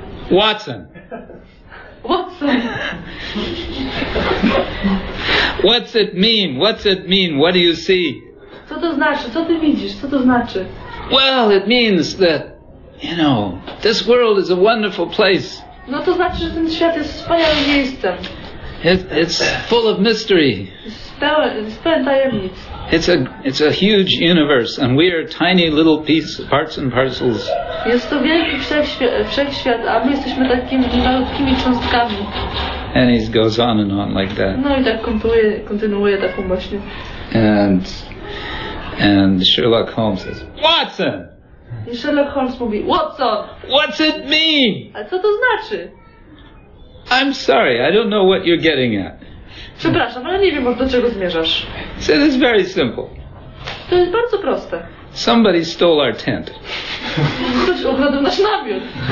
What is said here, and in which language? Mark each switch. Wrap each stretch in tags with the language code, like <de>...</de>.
<en>Watson. What's it mean? What do you see?</en> <pl>Co to znaczy? Co ty widzisz? Co to znaczy?</pl> <en>Well, it means that, you know, this world is a wonderful place.</en> <pl>No to znaczy, że ten świat jest wspaniałym miejscem.</pl> <en>It's full of mystery.</en> <pl>Jest pełen tajemnic.</pl> <en>It's a huge universe and we are tiny little pieces, parts and parcels.</en> <pl>Jest to wielki wszechświat, a my jesteśmy takimi malutkimi cząstkami.</pl> <en>And he goes on and on like that.</en> <pl>No i tak kontynuuje taką właśnie.</pl> <en>And Sherlock Holmes says, Watson!</en> <pl>I Sherlock Holmes mówi, Watson!</pl> <en>What's it mean?</en> <pl>A co to znaczy?</pl> <en>I'm sorry, I don't know what you're getting at.</en> <pl>Przepraszam, ale nie wiem, do czego zmierzasz.</pl> <en>So it's very simple.</en> <pl>To jest bardzo proste.</pl> <en>Somebody stole our tent.</en> <pl>Ktoś ukradł nasz namiot.</pl>